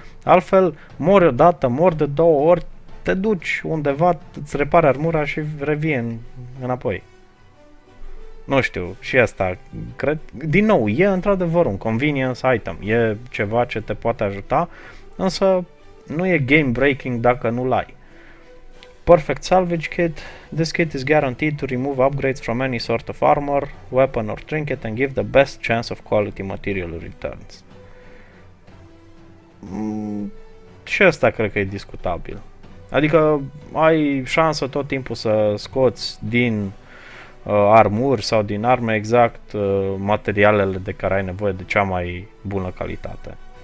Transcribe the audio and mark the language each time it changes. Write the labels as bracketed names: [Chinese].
[Romanian] Altfel, mori odată, mori de două ori, te duci undeva, îți repare armura și revii înapoi. Nu știu, și asta, cred, din nou, e într-adevăr un convenience item, e ceva ce te poate ajuta, însă nu e game breaking dacă nu-l ai. [English] Perfect salvage kit, this kit is guaranteed to remove upgrades from any sort of armor, weapon or trinket and give the best chance of quality material returns. [Romanian] Și asta cred că e discutabil. Adică ai șansă tot timpul să scoți din... armuri sau din arme exact materialele de care ai nevoie de cea mai bună calitate.